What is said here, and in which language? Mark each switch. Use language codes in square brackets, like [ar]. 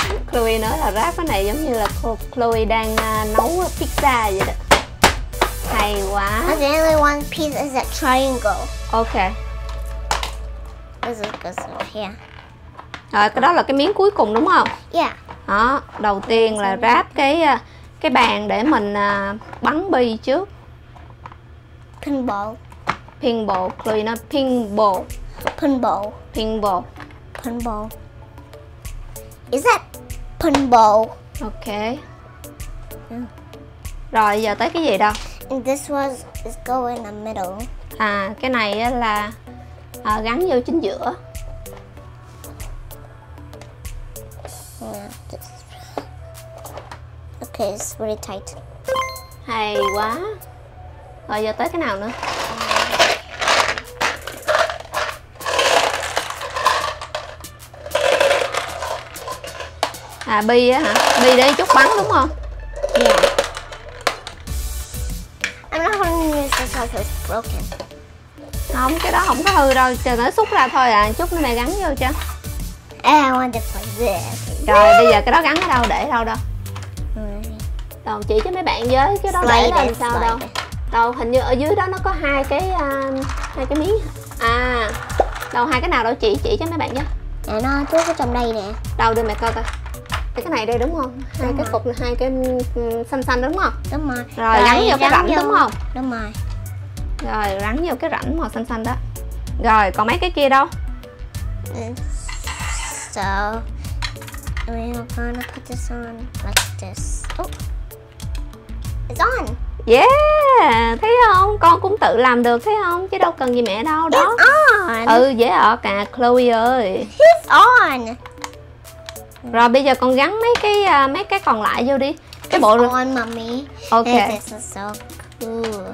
[vi] Chloe nói là ráp cái này giống như là Chloe đang nấu pizza vậy đó. Hay quá. [en] And the only one piece is a triangle. Okay. This is good stuff here. [vi] Rồi, cái đó là cái miếng cuối cùng đúng không? [en] Yeah. [vi] Đó, đầu tiên là ráp cái bàn để mình bắn bi trước. [en] Pinball. [vi] Pinball, Chloe nói pinball. [en] Pinball. Pinball. Pinball. Is that pinball? Okay. [vi] Rồi, giờ tới cái gì đâu? [en] And this was is going in the middle. [vi] À, cái này là gắn vô chính giữa. [en] Yeah, just... Okay, it's really tight. [vi] Hay quá. Rồi giờ tới cái nào nữa? À bi á hả? Bi để chút bắn đúng không? [en] Yeah. I'm not gonna use this because it's broken. [vi] Không, cái đó không có hư đâu, chờ nó xúc ra thôi à, chút nữa mẹ gắn vô cho. [en] And I want to put this. [vi] Rồi bây giờ cái đó gắn ở đâu, để ở đâu đâu? Đâu chỉ cho mấy bạn với cái đó [en] slide [vi] để làm sao đâu. Đâu hình như ở dưới đó nó có hai cái miếng. À. Đâu hai cái nào đâu chỉ cho mấy bạn nhé. Dạ nó chứa ở trong đây nè. Đâu đưa mẹ coi coi. Cái này đây đúng không? Hai cái cục là hai cái xanh xanh đúng không? Đúng rồi. Rồi gắn vô cái rãnh đúng không? Đúng rồi. Rồi gắn vô cái rãnh màu xanh xanh đó. Rồi còn mấy cái kia đâu? [en] So we're gonna put this on like this. Oh. It's on. [vi] Yeah, thấy không? Con cũng tự làm được thấy không? Chứ đâu cần gì mẹ đâu đó. [en] It's on. [vi] Ừ, dễ ở cả Chloe ơi. [en] It's on. [vi] Rồi bây giờ con gắn mấy cái còn lại vô đi. Cái [en] it's [vi] bộ [en] on, rồi. Mommy. Ok. This is so cool.